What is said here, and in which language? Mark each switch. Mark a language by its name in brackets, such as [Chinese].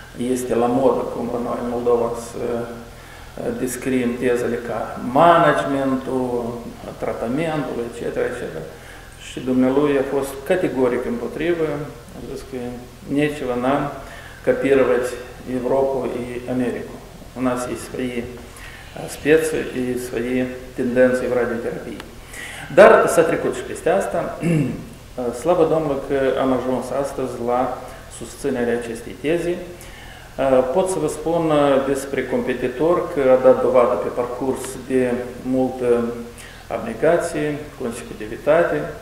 [Romanian] Este la modă, cum noi în Moldova să descriem tezele ca managementul, tratamentul, etc., etc. Și dumnealui a fost categoric împotrivă, a zis că nicio n-am copiat Europa și America. [Russian] У нас есть свои специи и свои тенденции в радиотерапии. [Romanian] Dar s-a trecut și peste asta. Slavă Domnului că am ajuns astăzi la susținerea acestei tezi. Pot să vă spun despre competitor că a dat dovadă pe parcurs de multă abnegație, consecutivitate.